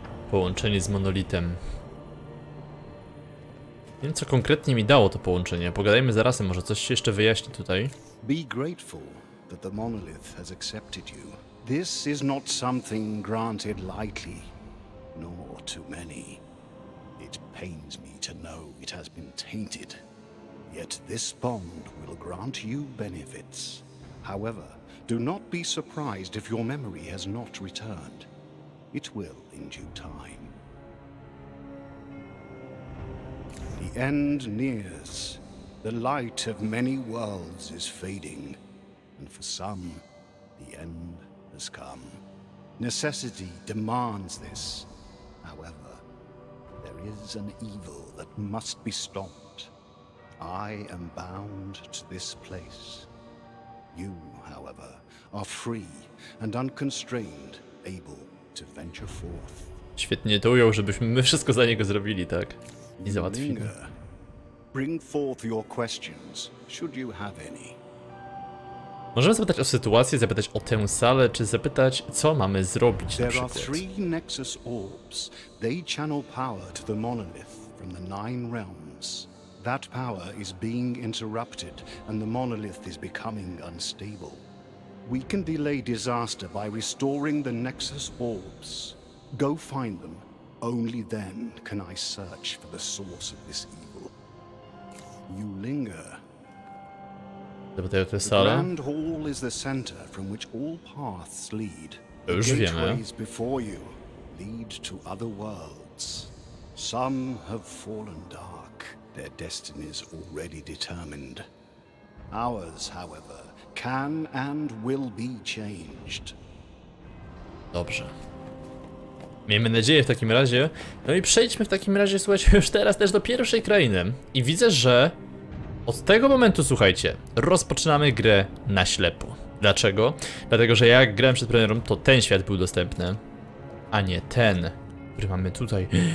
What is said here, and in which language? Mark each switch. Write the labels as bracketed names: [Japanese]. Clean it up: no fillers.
[Polish] Połączenie z monolitem. Nie wiem, co konkretnie mi dało to połączenie. Pogadajmy zaraz, może coś się jeszcze wyjaśni tutaj. [English] Be grateful that the monolith has accepted you. This is not something granted lightly, nor to many. It pains me to know it has been tainted. Yet this bond will grant you benefits. However, do not be surprised if your memory has not returned. It will in due time. The end nears. The light of many worlds is fading. And for some, the end has come. Necessity demands this. However, there is an evil that must be stopped. I am bound to this place. You, however, are free and unconstrained, able to venture forth. [Polish] Świetnie to ujął, żebyśmy my wszystko za niego zrobili, tak? I załatwili. [English] Bring forth your questions, should you have any. [Polish] Możemy zapytać o sytuację, zapytać o tę salę, czy zapytać, co mamy zrobić na [English] przykład. There are three Nexus orbs. They channel power to the monolith from the Nine Realms. That power is being interrupted, and the monolith is becoming unstable. We can delay disaster by restoring the Nexus orbs. Go find them. Only then can I search for the source of this evil. You linger. [Polish] Zapytaj o tę salę. [English] The Grand Hall is the center from which all paths lead. [Polish] Już [English] the gateways before you lead to other worlds. Some have fallen dark. Their destinies already determined. Ours, however, can and will be changed. [Polish] Dobrze. Miejmy nadzieję w takim razie. No i przejdźmy w takim razie, słuchajcie, już teraz też do pierwszej krainy. I widzę, że od tego momentu, słuchajcie, rozpoczynamy grę na ślepo. Dlaczego? Dlatego, że jak grałem przed premierą, to ten świat był dostępny, a nie ten, który mamy tutaj.